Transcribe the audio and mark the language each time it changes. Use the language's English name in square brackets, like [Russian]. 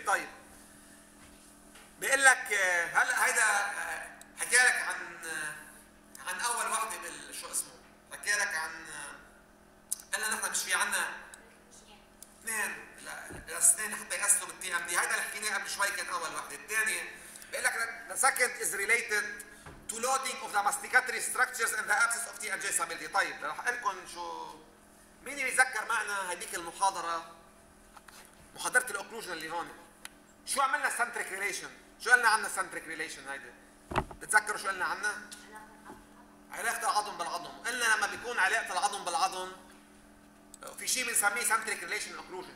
[Arabic] طيب بيقول لك هلا هيدا حكي لك عن اول وحده بالشو اسمه حكي لك عن قلنا نحن مش في عنا اثنين لاثنين حتى يغسلوا بالتي ام دي. هيدا اللي حكيناه قبل شوي كان اول وحده. الثانيه بيقول لك [English] the second is related to loading of the masticatory structures and the absence of T M J stability. [Arabic] طيب رح اقول لكم شو مين يتذكر معنا هذيك المحاضره محاضره الاوكلوجن اللي هون شو عملنا سنتريك ريليشن؟ شو قلنا عنا سنتريك ريليشن هيدا؟ بتذكروا شو قلنا عنا؟ علاقة العظم بالعظم. قلنا لما بيكون علاقة العظم بالعظم في شيء بنسميه سنتريك ريليشن اوكلوجن.